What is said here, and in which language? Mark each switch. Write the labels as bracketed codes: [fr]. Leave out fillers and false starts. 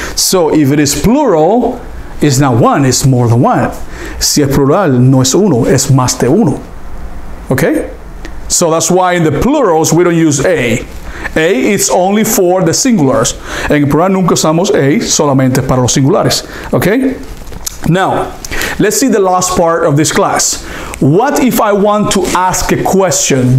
[en] So if it is plural, it's not one, it's more than one. [es] Si es plural, no es uno, es más de uno. Okay? [en] So that's why in the plurals we don't use A. A is only for the singulars. [es] En el plural nunca usamos A, solamente para los singulares. Okay? [en] Now, let's see the last part of this class. What if I want to ask a question?